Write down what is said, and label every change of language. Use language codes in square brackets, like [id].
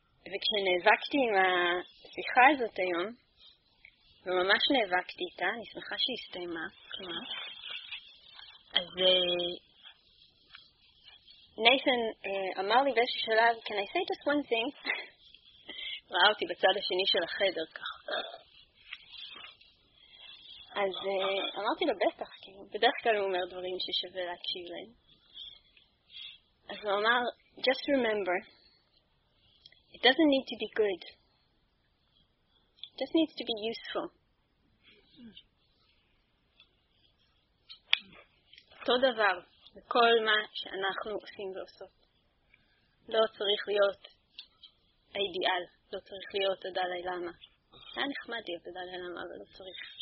[he] וכשנאבקתי עם השיחה הזאת היום, וממש נאבקתי איתה, אני שמחה שהיא הסתיימה, אז נייתן אמר לי באיזשהו שלב, [en] can I say just one thing? [he] ראה אותי בצד השני של החדר ככה. אז אמרתי לו בטח, כי בדרך כלל הוא אומר דברים ששווה להקשיב להם. אז הוא אמר, [en] just remember, it doesn't need to be good. It just needs to be useful. [he] אותו דבר, בכל מה שאנחנו עושים ועושות. לא צריך להיות האידיאל, לא צריך להיות הדלאי למה. היה נחמד להיות הדלאי למה, אבל לא צריך.